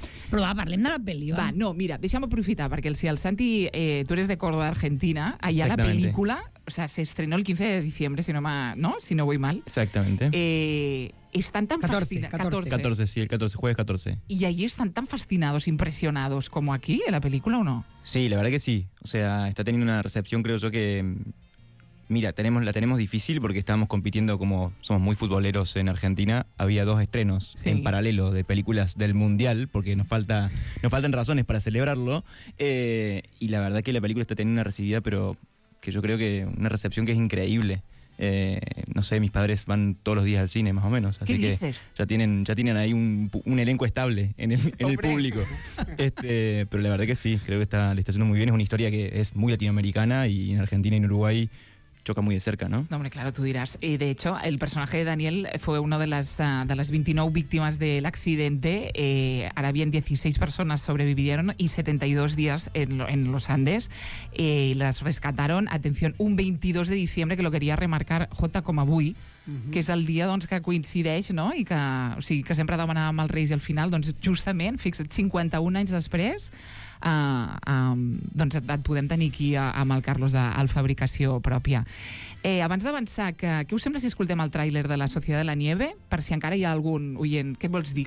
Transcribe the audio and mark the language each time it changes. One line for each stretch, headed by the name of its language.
Catalan: Però va, parlem de la pel·li, va. Va, no, mira, deixa'm aprofitar, perquè si el Santi, tu eres de Córdoba, Argentina, allà la pel·lícula,
Spanish: o sea, se estrenó el 15 de diciembre, si no voy mal. Exactamente. Están tan fascinados... 14, sí, el 14, jueves 14. ¿Y allí están tan fascinados, impresionados, como aquí, en la película o no? Sí, la verdad que sí. O sea, está teniendo una recepción, creo yo, que... Mira, la tenemos difícil porque estábamos compitiendo, como somos muy futboleros en Argentina, había dos estrenos sí. En paralelo de películas del Mundial, porque nos faltan razones para celebrarlo, y la verdad que la película está teniendo una recibida, pero que yo creo que una recepción que es increíble. No sé, mis padres van todos los días al cine, más o menos. Así ¿qué dices? Que ya tienen ahí un elenco estable en el público. Pero la verdad que sí, creo que le está haciendo muy bien. Es una historia que es muy latinoamericana y en Argentina y en Uruguay choca muy de cerca, ¿no? No, hombre, claro, tú dirás. De hecho, el personaje de Daniel fue una de las 29 víctimas del accidente. Ahora bien, 16 personas sobrevivieron y 72 días en los Andes. Las rescataron, atención, un 22 de diciembre, que lo quería remarcar Jota
Catalan: com avui,
Spanish: uh-huh. Que es el día
Catalan: doncs, que coincideix,
Spanish: ¿no?
Catalan: Y que, o sigui, que sempre demanàvem els Reis i al final, doncs, justament, fixa't, 51 anys després... doncs et podem tenir aquí amb el Carlos al Fabricació Pròpia. Abans d'avançar, què us sembla si escoltem el tràiler de La Sociedad de la Nieve? Per si encara hi ha algun oient. Què vols dir,